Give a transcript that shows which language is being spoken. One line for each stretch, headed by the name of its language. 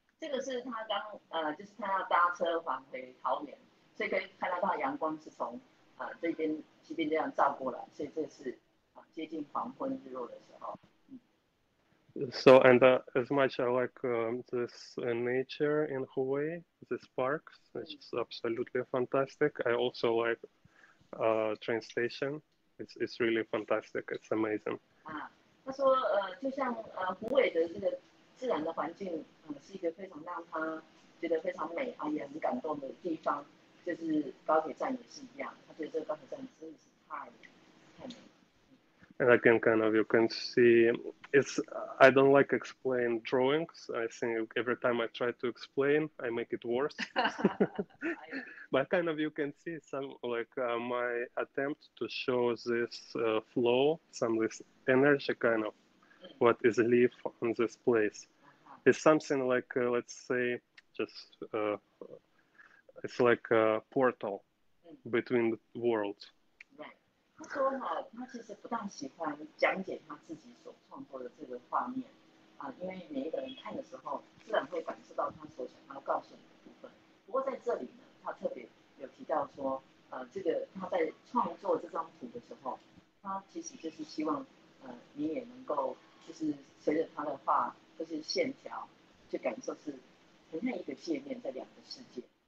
Chinese: 这个是他刚就是他要搭车返回桃园，所以可以看到他的阳光是从这边西边这样照过来，所以这是接近黄昏日落的时候。
English: So and as much I like this nature in Hawaii, this park, which is absolutely fantastic. I also like train station. It's really fantastic. It's amazing.
Chinese: 他说就像湖尾的这个。自然的环境、是一个非常让他觉得非常美、也很感动的地方，就是高铁站也是一样，他觉得这个高铁站真的是太美了。
English: And again, kind of, you can see, it's, I don't like explain drawings. I think every time I try to explain, I make it worse. But kind of, you can see some, like, my attempt to show this flow, some of this energy kind of,what is a leaf on this place. Uh-huh. It's something like, let's say, just, it's like a portal between the worlds. Right.
Chinese: 他说哈，他其实不大喜欢讲解他自己所创作的这个画面，因为每一个人看的时候，自然会感受到他所想要告诉你的部分。不过在这里呢，他特别有提到说，这个他在创作这张图的时候，他其实就是希望，你也能够就是随着他的话，就是线条，就感受是很像一个界面在两个世界。